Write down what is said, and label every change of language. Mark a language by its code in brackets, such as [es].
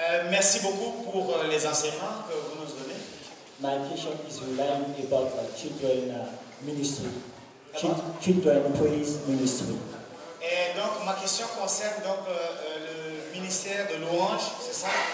[fr] Merci beaucoup pour les enseignements que vous nous donnez. [en] My question is relying about children ministry. Children praise ministry. [fr] Et donc ma question concerne donc le ministère de louange, c'est ça?